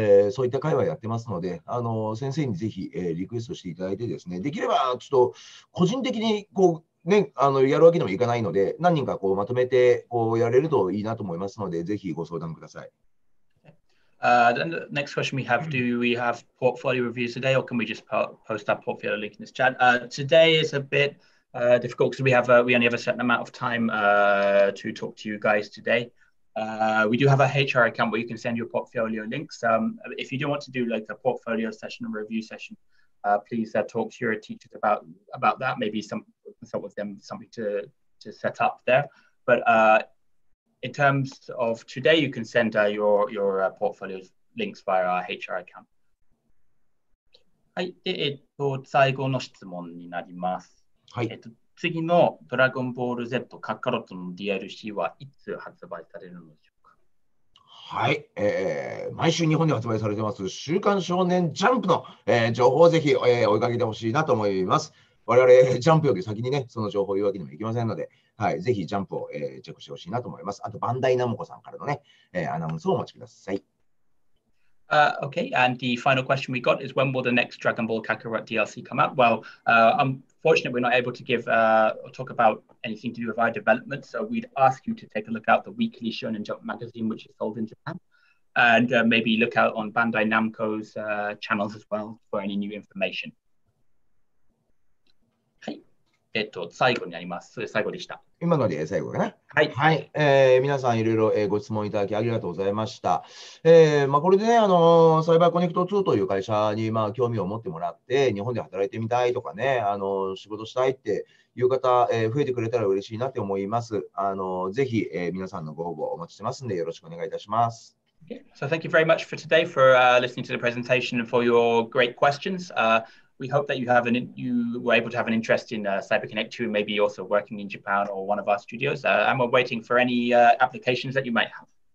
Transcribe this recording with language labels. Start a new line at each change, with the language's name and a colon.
Japanese: そういった会はやってますので、先生にぜひ、リクエストしていただいてですね、できれば、ちょっと、個人的に、こう、ね、やるわけにもいかないので、何人か、こう、まとめて、こう、やれるといいなと思いますので、ぜひご相談ください。
English: Then the next question we have, do we have portfolio reviews today or can we just post our portfolio link in this chat? Today is a bit difficult because we only have a certain amount of time to talk to you guys today. We do have a HR account where you can send your portfolio links. If you do want to do like a portfolio session and review session, please talk to your teachers about that. Maybe some consult with them something to set up there. In terms of today, you can send your portfolio links via our HR account.
Japanese: はい。で、最後の質問になります。はい。次のドラゴンボール Z カカロットの DLC はいつ発売されるのでしょうか？毎週日本で発売されてます、週刊少年ジャンプの、情報をぜひ、追いかけてほしいなと思います。我々、ジャンプより先にね、その情報を言うわけにもいきませんので、はい、ぜひジャンプを、チェックしてほしいなと思います。あと、バンダイナムコさんからのね、アナウンスをお待ちください。
English: Okay, and the final question we got is when will the next Dragon Ball Kakarot DLC come out? Well, unfortunately, we're not able to give or talk about anything to do with our development, so we'd ask you to take a look out the weekly Shonen Jump magazine, which is sold in Japan, and maybe look out on Bandai Namco's channels as well for any new information.
Japanese: い。最後になります。それ最後でした。今ので最後かな。はい。はい。皆さんいろいろご質問いただきありがとうございました。まあ、これでね、サイバーコネクト2という会社に、まあ、興味を持ってもらって、日本で働いてみたいとかね、仕事したいっていう方、増えてくれたら嬉しいなって思います。ぜひ、皆さんのご応募をお待ちしてますんで、よろしくお願いいたします。
English: So thank you very much for today, for listening to the presentation and for your great questions. We hope that you were able to have an interest in CyberConnect 2, maybe also working in Japan or one of our studios. And we're waiting for any applications that you might have.